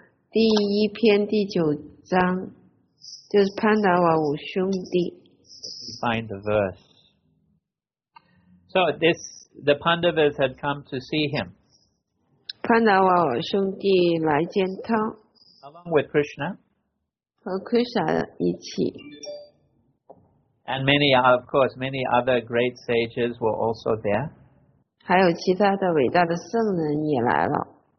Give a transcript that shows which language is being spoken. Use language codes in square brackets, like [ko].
[zh] 第一篇第九章就是潘达瓦五兄弟。 [en] You find the verse. So this, the Pandavas had come to see him. [zh] Pandava 兄弟来见他。 [en] Along with Krishna. [zh] 和 Krishna 一起。 [en] And many, of course, many other great sages were also there. [zh] 还有其他的伟大的圣人也来了。